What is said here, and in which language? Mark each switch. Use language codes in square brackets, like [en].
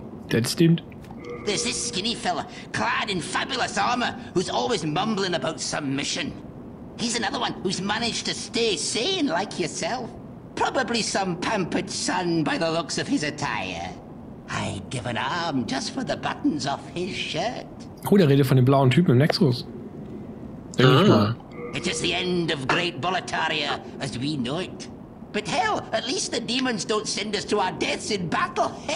[en] That [de] stimmt. [en] There's this skinny fella, clad in fabulous armor, who's always mumbling about some mission. He's another one who's managed to stay sane like yourself. Probably some pampered son by the looks of his attire. I'd give an arm just for the buttons off his shirt. [de] Oh, der redet von dem blauen Typen im Nexus. [en] It is the end of Great Boletaria as we know it. But hell, at least the demons don't send us to our deaths in battle.